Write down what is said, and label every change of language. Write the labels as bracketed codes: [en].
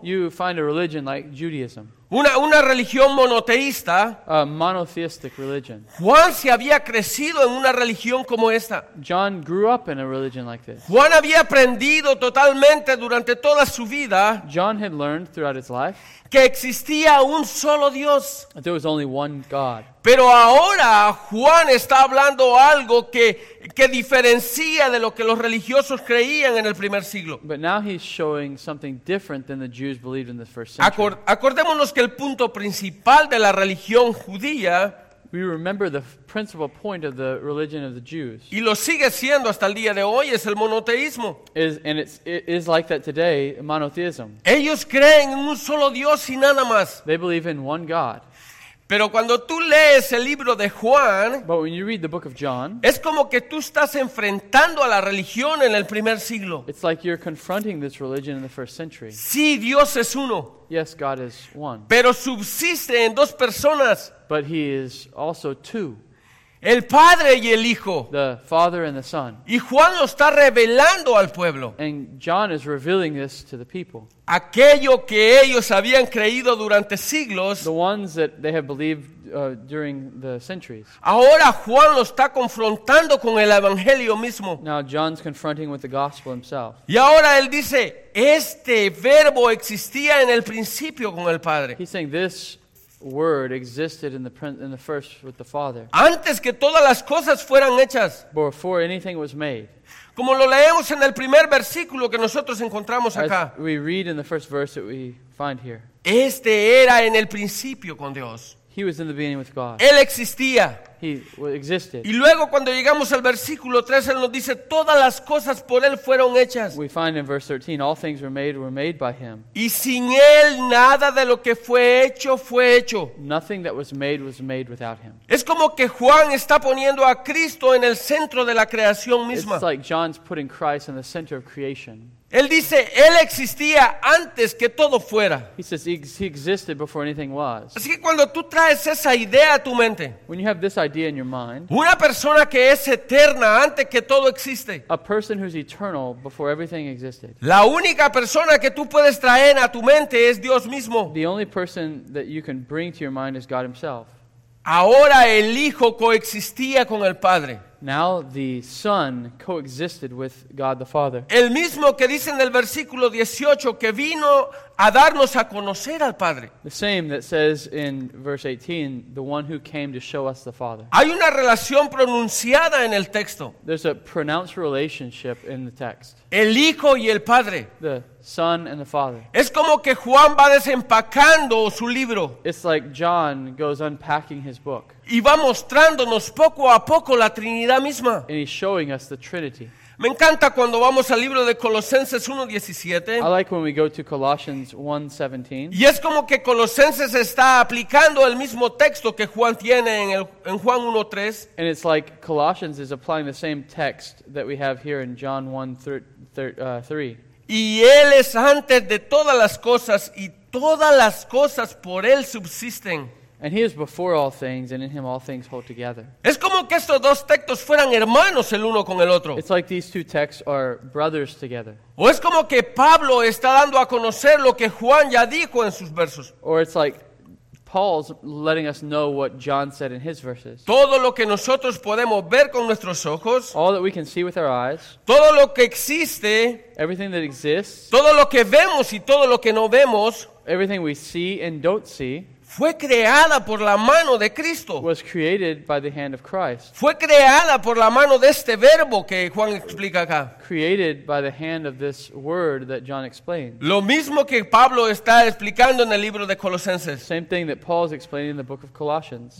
[en] You find a religion like Judaism. [es] Una religión monoteísta. [en] A monotheistic religion. [es] Juan se había crecido en una religión como esta. [en] John grew up in a religion like this. [es] Juan había aprendido totalmente durante toda su vida. [en] John had learned throughout his life. [es] Que existía un solo Dios. [en] That there was only one God. [es] Pero ahora Juan está hablando algo que diferencia de lo que los religiosos creían en el primer siglo. [en] But now he's showing something different than the Jews believed in the first century. [es] Acordémonos que el punto principal de la religión judía, [en] we remember the principal point of the religion of the Jews, [es] y lo sigue siendo hasta el día de hoy, es el monoteísmo. [en] It is like that today, monotheism. [es] Ellos creen en un solo Dios y nada más. [en] They believe in one God. [es] Pero cuando tú lees el libro de Juan, [en] but when you read the book of John, [es] es como que tú estás enfrentando a la religión en el primer siglo. [en] It's like you're confronting this religion in the first century. [es] Sí, Dios es uno. [en] Yes, God is one. [es] Pero subsiste en dos personas. [en] But he is also two. [es] El Padre y el Hijo. [en] The Father and the Son. [es] Y Juan lo está revelando al pueblo. [en] And John is revealing this to the people. [es] Aquello que ellos habían creído durante siglos, [en] the ones that they have believed during the centuries. [es] Ahora Juan lo está confrontando con el Evangelio mismo. [en] Now John's confronting with the gospel himself. [es] Y ahora él dice, este verbo existía en el principio con el Padre. [en] He's saying this word existed in the first with the Father. [es] Antes que todas las cosas fueran hechas. [en] Before anything was made. [es] Como lo leemos en el primer versículo que nosotros encontramos acá. [en] As we read in the first verse that we find here. [es] Este era en el principio con Dios. [en] He was in the beginning with God. [es] Él existía. [en] He existed. [es] Y luego cuando llegamos al versículo 3, él nos dice, todas las cosas por él fueron hechas. [en] We find in verse 13, all things were made by him. [es] Y sin él, nada de lo que fue hecho, fue hecho. [en] Nothing that was made without him. [es] Es como que Juan está poniendo a Cristo en el centro de la creación misma. [en] It's like John's putting Christ in the center of creation. [es] Él dice, él existía antes que todo fuera. [en] He says he existed before anything was. [es] Así que cuando tú traes esa idea a tu mente, [en] when you have this idea in your mind, [es] una persona que es eterna antes que todo existe, [en] a person who's eternal before everything existed, [es] la única persona que tú puedes traer a tu mente es Dios mismo. [en] The only person that you can bring to your mind is God himself. [es] Ahora el Hijo coexistía con el Padre. [en] Now the Son coexisted with God the Father. [es] El mismo que dice en el versículo 18 que vino a darnos a conocer al Padre. [en] The same that says in verse 18, the one who came to show us the Father. [es] Hay una relación pronunciada en el texto. [en] There's a pronounced relationship in the text. [es] El Hijo y el Padre. [en] The Son and the Father. [es] Es como que Juan va desempacando su libro. [en] It's like John goes unpacking his book. [es] Y va mostrándonos poco a poco la Trinidad misma. [en] And he's showing us the Trinity. [es] Me encanta cuando vamos al libro de Colosenses 1:17. [en] I like when we go to Colossians 1:17. [es] Y es como que Colosenses está aplicando el mismo texto que Juan tiene en Juan 1:3. [en] And it's like Colossians is applying the same text that we have here in John 1:3. [es] Y él es antes de todas las cosas, y todas las cosas por él subsisten. [en] And he is before all things, and in him all things hold together. [es] Es como que estos dos textos fueran hermanos el uno con el otro. [en] It's like these two texts are brothers together. [es] O es como que Pablo está dando a conocer lo que Juan ya dijo en sus versos. [en] Or it's like Paul's letting us know what John said in his verses. [es] Todo lo que nosotros podemos ver con nuestros ojos. [en] All that we can see with our eyes. [es] Todo lo que existe. [en] Everything that exists. [es] Todo lo que vemos y todo lo que no vemos. [en] Everything we see and don't see. [es] Fue creada por la mano de Cristo. [en] Was created by the hand of Christ. [es] Fue creada por la mano de este verbo que Juan explica acá. [en] Created by the hand of this word that John explains. [es] Lo mismo que Pablo está explicando en el libro de Colosenses. [en] Same thing that Paul is explaining in the book of Colossians.